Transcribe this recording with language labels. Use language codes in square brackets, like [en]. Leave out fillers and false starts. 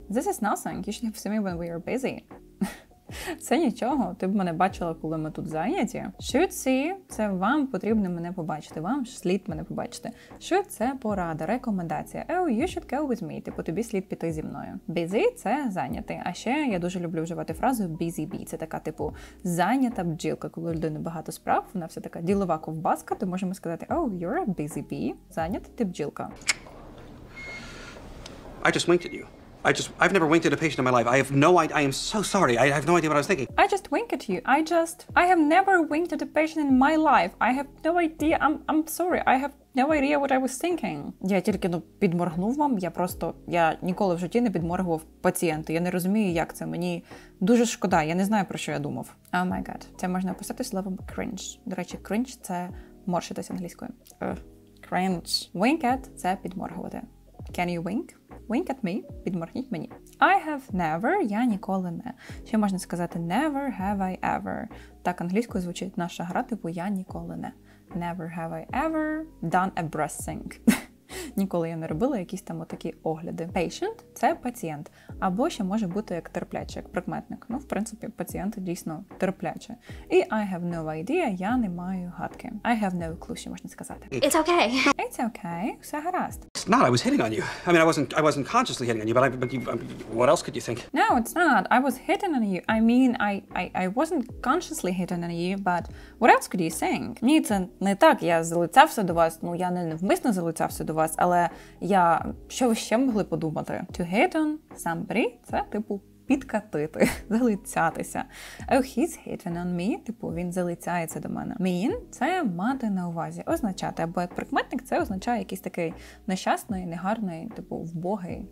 [en] This is nothing. You should have seen me when we are busy. [uk] Це нічого, ти б мене бачила, коли ми тут зайняті. [en] Should see [uk] – це вам потрібно мене побачити, вам слід мене побачити. Should – це порада, рекомендація. [en] Oh, you should go with me, [uk] типу, тобі слід піти зі мною. Busy – це зайнятий. А ще я дуже люблю вживати фразу [en] busy bee. [uk] Це така, типу, зайнята бджілка. Коли у людини багато справ, вона вся така ділова ковбаска, то можемо сказати, [en] oh, you're a busy bee, [uk] зайнята ти бджілка. [en] I just winked at you. I've never winked at a patient in my life. I have no idea. I am so sorry. I have no idea what I was thinking. I just winked at you. I have never winked at a patient in my life. I have no idea. I'm sorry. I have no idea what I was thinking. [uk] Я тільки ну підморгнув вам. Я ніколи в житті не підморгував пацієнту. Я не розумію, як це. Мені дуже шкода. Я не знаю, про що я думав. [en] Oh my god. [uk] Це можна описати словом cringe. До речі, cringe – це морщитись англійською. [en] Cringe. Wink at – [uk] це підморгувати. [en] Can you wink? Wink at me. [uk] Підморгніть мені. [en] I have never. [uk] Я ніколи не. Ще можна сказати [en] never have I ever. [uk] Так англійською звучить наша гра, типу я ніколи не. [en] Never have I ever done a breast sync. [uk] Ніколи я не робила якісь там отакі огляди. Patient – це пацієнт. Або ще може бути як терпляче, як прикметник. Ну, в принципі, пацієнт дійсно терпляче. І [en] I have no idea [uk] – я не маю гадки. [en] I have no clue, [uk] ще можна сказати. [en] It's okay. It's okay. [uk] Все гаразд. [en] It's not. I was hitting on you. I mean, I wasn't consciously hitting on you, what else could you think? No, it's not. I was hitting on you. I mean, I wasn't consciously hitting on you, but what else could you think? [uk] Ні, це не так. Я залицявся до вас. Ну, я не навмисно залицявся до вас, але я... Що ви ще могли подумати? [en] To hit on somebody [uk] – це, типу, підкатити, залицятися. [en] Oh, he's hitting on me [uk] – типу, він залицяється до мене. Mean – це мати на увазі, означати. Або як прикметник – це означає якийсь такий нещасний, негарний, типу, вбогий.